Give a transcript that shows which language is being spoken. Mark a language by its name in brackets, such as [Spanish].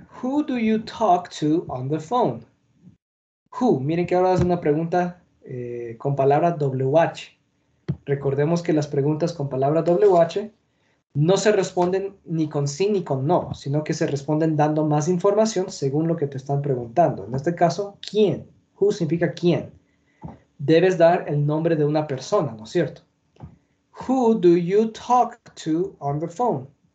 [English] Who do you talk to on the phone? Who? [Spanish] Miren que ahora es una pregunta con palabra WH. Recordemos que las preguntas con palabra WH no se responden ni con sí ni con no, sino que se responden dando más información según lo que te están preguntando. En este caso, ¿quién? Who significa quién. Debes dar el nombre de una persona, ¿no es cierto? [English] Who do you talk to on the phone?